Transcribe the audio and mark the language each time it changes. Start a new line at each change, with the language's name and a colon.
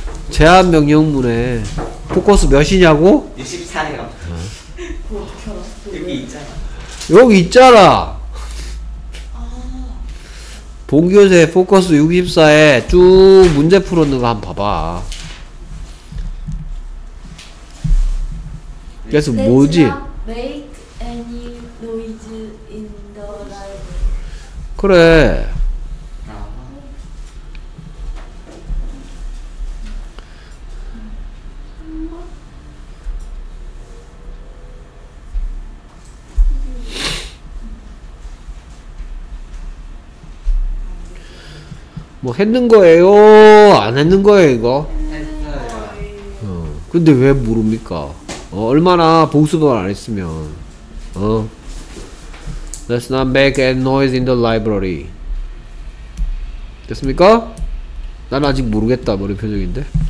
Korean: 제한 명령문에. 포커스 몇이냐고? 64요. 어. 여기 있잖아. 여기 있잖아. 아. 본교재 포커스 64에 쭉 문제 풀었는 거 한번 봐봐. 그래서 뭐지?
English: Let's not make any noise in the library.
Korean: 그래. 뭐 했는 거예요? 안 했는 거예요 이거? 했어요. 어. 근데 왜 모릅니까? 어, 얼마나 복습을 안 했으면. 어.
English: Let's not make any noise in the library.
Korean: 됐습니까? 난 아직 모르겠다 머리 표정인데.